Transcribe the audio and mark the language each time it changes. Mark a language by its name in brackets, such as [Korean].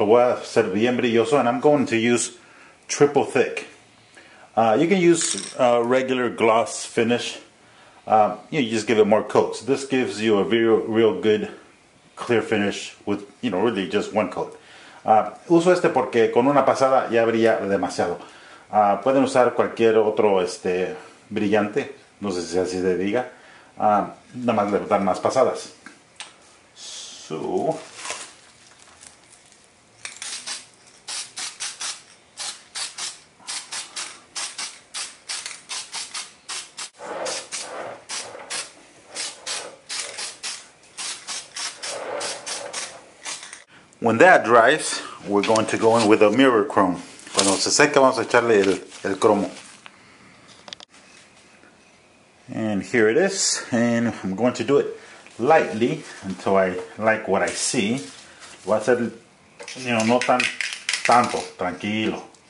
[Spanish] Lo voy a hacer bien brilloso, [English] and I'm going to use triple thick. You can use regular gloss finish. You just give it more coats. This gives you a real good clear finish with, you know, really just one coat. [Spanish] Uso este porque con una pasada ya brilla demasiado. Pueden usar cualquier otro brillante, no sé si así se diga. Nada más le dan más pasadas. So... [English] When that dries, we're going to go in with a mirror chrome. [Spanish] Cuando se seque, vamos a echarle el cromo. [English] And here it is, and I'm going to do it lightly until I like what I see. [Spanish] Voy a hacer, no tanto, tranquilo.